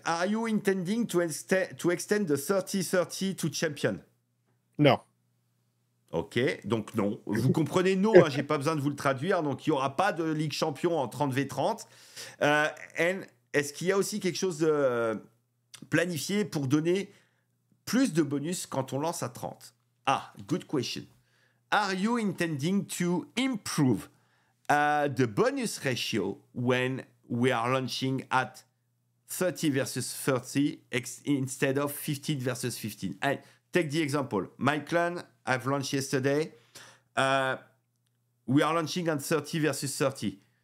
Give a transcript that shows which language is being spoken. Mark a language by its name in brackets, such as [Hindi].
[English] Are you intending to extend the 30-30 to champion? [French] Non. Ok, donc non. Vous comprenez, non, hein, j'ai pas besoin de vous le traduire. Donc, il n'y aura pas de Ligue champion en 30v30. Est-ce qu'il y a aussi quelque chose de planifié pour donner plus de bonus quand on lance à 30? [English] Ah, good question. Are you intending to improve the bonus ratio when we are launching at 30 versus 30 instead of 15 versus 15. Take the example. My clan, I've launched yesterday. We are launching at 30 versus 30.